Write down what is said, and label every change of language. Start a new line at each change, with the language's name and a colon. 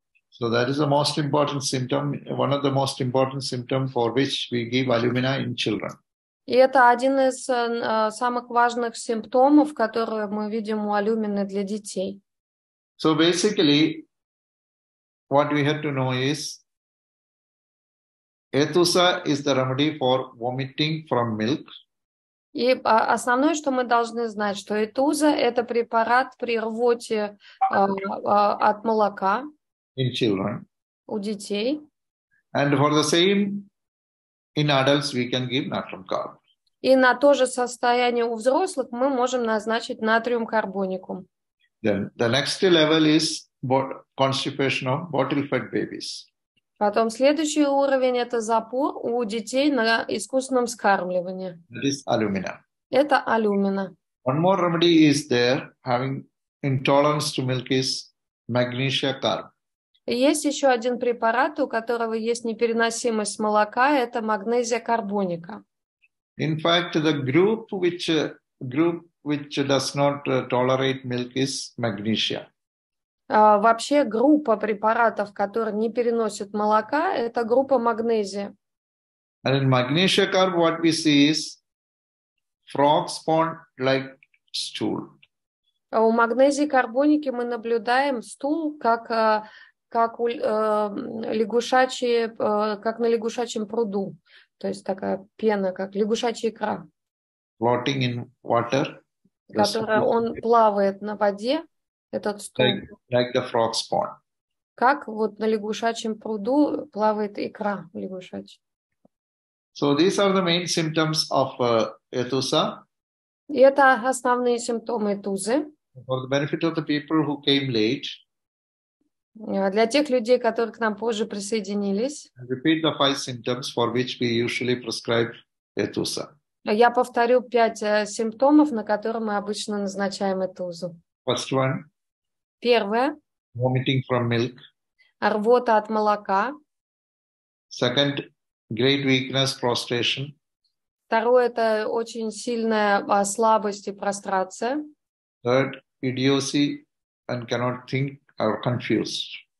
English: So that is the most important symptom, one of the most important symptoms for which we give alumina in children.
Russian: И это один из самых важных симптомов, которые мы видим у алюмина для детей.
English: So basically, what we have to know is ethusa is the remedy for vomiting from milk.
Russian: И основное, что мы должны знать, что этуза – это препарат при рвоте от молока
English: in children.
Russian: У детей.
English: And for the same in adults, we can give natrium carb.
Russian: И на то же состояние у взрослых мы можем назначить натриум карбоникум.
English: Then the next level is constipation of bottle-fed babies.
Russian: Потом следующий уровень – это запор у детей на искусственном вскармливании.
English: That is alumina.
Russian: Это алюмина.
English: One more remedy is there, having intolerance to milk, is magnesia carb.
Russian: Есть еще один препарат, у которого есть непереносимость молока – это магнезия карбоника.
English: In fact, the group which does not tolerate milk is magnesia.
Russian: Вообще группа препаратов, которые не переносят молока, это группа магнезия.
English: And in magnesia carb, what we see is frog spawn-like stool.
Russian: У магнезии карбоники мы наблюдаем стул как на лягушачьем пруду, то есть такая пена, как лягушачья икра.
English: Floating in water.
Russian: Которая он плавает на воде. Этот стул.
English: Like the frog spawn.
Russian: Как вот на лягушачьем пруду плавает икра лягушачья.
English: So these are the main symptoms of ethusa.
Russian: И это основные симптомы этузы.
English: For the benefit of the people who came late.
Russian: Для тех людей, которые к нам позже присоединились.
English: I repeat the five symptoms for which we usually prescribe ethusa.
Russian: Я повторю пять симптомов, на которые мы обычно назначаем этузу.
English: First one.
Russian: Первое.
English: Vomiting from milk.
Russian: Рвота от молока.
English: Second, great weakness, prostration.
Russian: Второе – это очень сильная слабость и прострация.
English: Third, idiocy and cannot think or confused.